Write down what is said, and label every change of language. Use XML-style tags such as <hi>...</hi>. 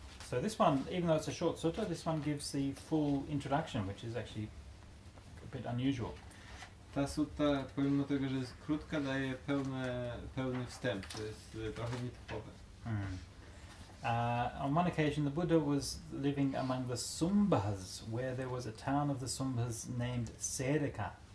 <en>So this one, even though it's a short sutta, this one gives the full introduction, which is actually a bit unusual.</en> <pl>Ta sutta, pomimo tego, że jest krótka, daje pełny wstęp. To jest trochę nietypowe.</pl> <en>On one occasion, the Buddha was living among the Sumbhas, where there was a town of the Sumbhas named Sedaka.</en>